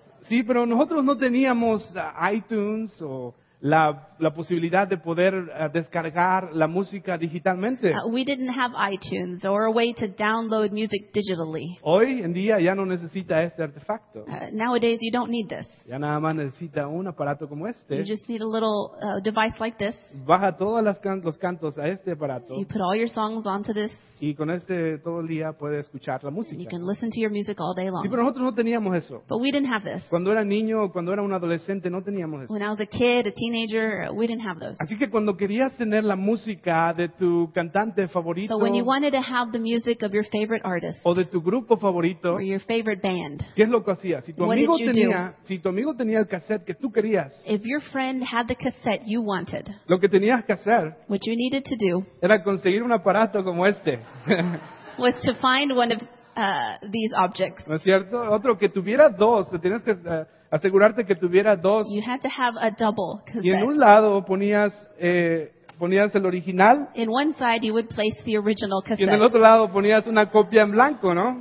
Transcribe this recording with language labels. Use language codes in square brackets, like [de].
[es] Sí, pero nosotros no teníamos iTunes o la posibilidad de poder descargar la música digitalmente. [en] We didn't have iTunes or a way to download music digitally. [es] Hoy en día ya no necesita este artefacto. [en] Nowadays you don't need this. [es] Ya nada más necesita un aparato como este. [en] You just need a little device like this. [es] Baja todos los cantos a este aparato. [en] You put all your songs onto this. [es] Y con este todo el día puede escuchar la música. [en] You can listen to your music all day long. [es] Sí, pero nosotros no teníamos eso. [en] But we didn't have this. [es] Cuando era niño o cuando era un adolescente no teníamos eso. [en] When I was a kid, a teenager, we didn't have those. [es] Así que cuando querías tener la música de tu cantante favorito, [en] so when you wanted to have the music of your favorite artist, [es] o de tu grupo favorito, [en] or your favorite band, [es] ¿qué es lo que hacías? Si tu amigo tenía, si tu amigo tenía el cassette que tú querías, [en] if your friend had the cassette you wanted, [es] lo que tenías que hacer, [en] what you needed to do, [es] era conseguir un aparato como este. [en] Was to find one of these objects. [es] ¿No es cierto? Otro que tuviera dos. Tienes que asegurarte que tuviera dos. [en] You had to have a double cassette. [es] Y en un lado ponías el original. [en] In one side you would place the original cassette. [es] Y en el otro lado ponías una copia en blanco, ¿no?